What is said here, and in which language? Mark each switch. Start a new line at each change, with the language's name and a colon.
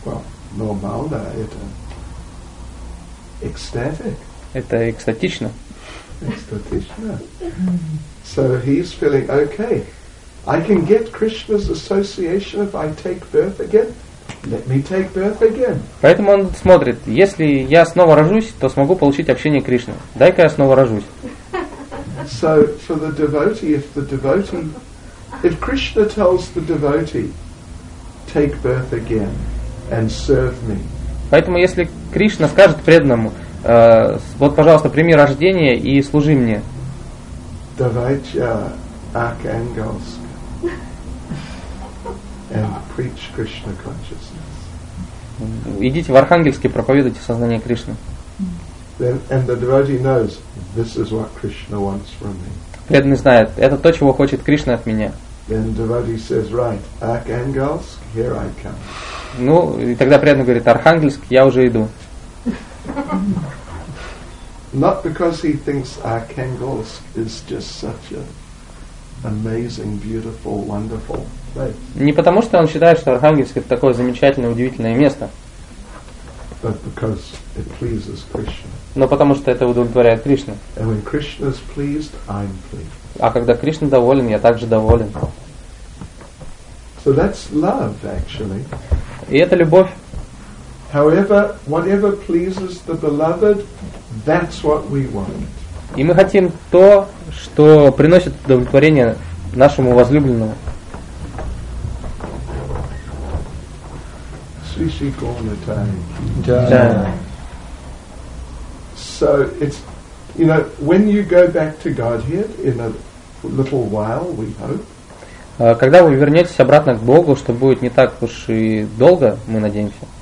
Russian: Well, normalно, это ecstatic. Это экстатично. Экстатично.
English: So he's feeling okay. I can get Krishna's association if I take birth again. Let me take birth again.
Russian: Поэтому он смотрит, если я снова рожусь, то смогу получить общение Кришны. Дай-ка я снова рожусь.
English: So for the devotee, if the devotee If Krishna tells the devotee, take birth again and serve me.
Russian: Поэтому если Кришна скажет преданному, вот, пожалуйста, прими рождение и служи мне. Давайте
English: Архангельск and preach Krishna consciousness.
Russian: Идите в Архангельск и проповедуйте сознание Кришны.
English: Then, and the devotee knows, this is what Krishna wants from me.
Russian: Преданный знает, это то, чего хочет Кришна от меня.
English: Then devotee says, "Right, Arkhangelsk, here I come."
Russian: Ну, и тогда преданный говорит, Архангельск, я уже иду.
English: Not because he thinks Arkhangelsk is just such an amazing, beautiful, wonderful place.
Russian: Не потому что он считает, что Архангельск это такое замечательное, удивительное место.
English: But because it pleases Krishna.
Russian: Но потому что это удовлетворяет Кришну.
English: And when Krishna is pleased, I'm pleased.
Russian: А когда Кришна доволен, я также доволен.
English: So that's love, actually.
Russian: И это любовь.
English: However, whatever pleases the beloved, that's what we want.
Russian: И мы хотим то, что приносит удовлетворение нашему возлюбленному. Свиши Горнатай. Да.
English: So it's, you know, when you go back to Godhead in a little while, we hope.
Russian: Когда вы вернетесь обратно к Богу, что будет не так уж и долго, мы надеемся.